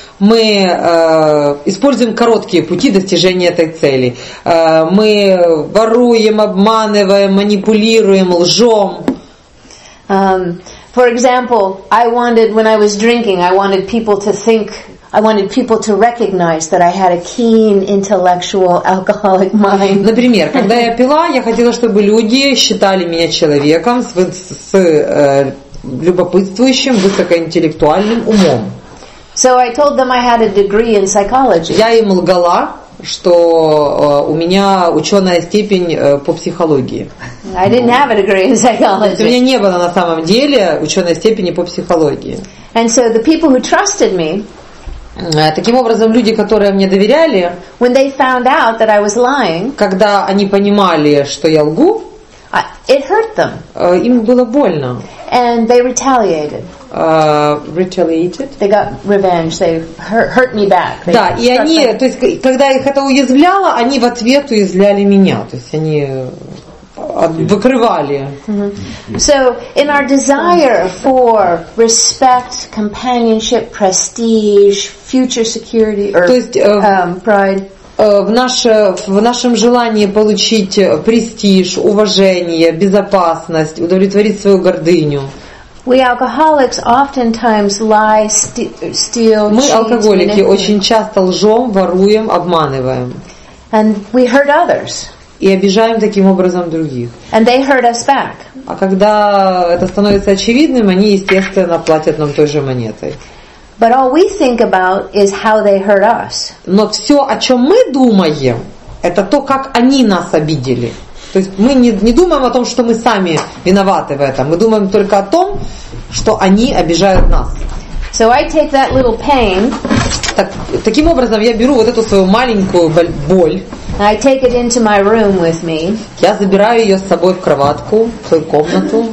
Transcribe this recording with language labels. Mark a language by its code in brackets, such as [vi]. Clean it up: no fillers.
[ru] Мы используем короткие пути достижения этой цели. Мы воруем, обманываем, манипулируем, лжем. [en] For example, I wanted when I was drinking, I wanted people to think, I wanted people to recognize that I had a keen intellectual alcoholic mind. [ru] Например, когда я пила, я хотела, чтобы люди считали меня человеком с любопытствующим, высокоинтеллектуальным умом. [en] So I told them I had a degree in psychology. [ru] Я им лгала, что у меня ученая степень по психологии. [en] I didn't have a degree in psychology. [ru] У меня не было на самом деле ученой степени по психологии. [en] And so the people who trusted me, [ru] таким образом, люди, которые мне доверяли, [en] when they found out that I was lying, [ru] когда они понимали, что я лгу, [en] it hurt them. [ru] Им было больно. [en] And they retaliated. Retaliated. They got revenge. They hurt me back. [ru] Да, и они, то есть, когда их это уязвляло, они в ответ уязвляли меня. То есть, они выкрывали. [en] So, in our desire for respect, companionship, prestige, future security, or pride. [ru] В нашем желании получить престиж, уважение, безопасность, удовлетворить свою гордыню. [en] We alcoholics oftentimes lie, steal, [ru] мы алкоголики очень часто лжем, воруем, обманываем. [en] And we hurt others. [ru] И обижаем таким образом других. [en] And they hurt us back. [ru] А когда это становится очевидным, они, естественно, платят нам той же монетой. [en] But all we think about is how they hurt us. [ru] Но все, о чем мы думаем, это то, как они нас обидели. То есть мы не думаем о том, что мы сами виноваты в этом. Мы думаем только о том, что они обижают нас. [en] So I take that little pain. [ru] Таким образом, я беру вот эту свою маленькую боль. [en] I take it into my room with me. [ru] Я забираю ее с собой в кроватку, в свою комнату.